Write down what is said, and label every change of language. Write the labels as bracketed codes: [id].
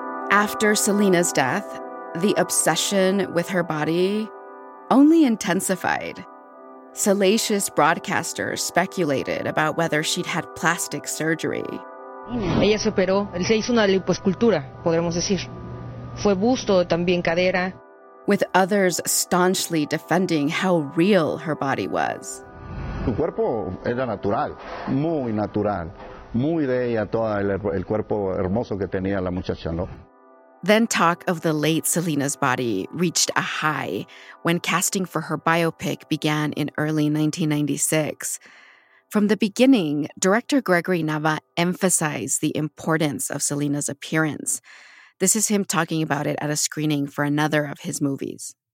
[en] After Selena's death, the obsession with her body only intensified. Salacious broadcasters speculated about whether she'd had plastic surgery. [es] Ella se operó, se hizo una liposcultura, podremos decir. Fue busto, también cadera. [en] With others staunchly defending how real her body was. [es] Su cuerpo era natural, muy natural, muy de ella, todo el cuerpo hermoso que tenía la muchacha, ¿no? [en] Then talk of the late Selena's body reached a high when casting for her biopic began in early 1996. From the beginning, director Gregory Nava emphasized the importance of Selena's appearance. This is him talking about it at a screening for another of his movies.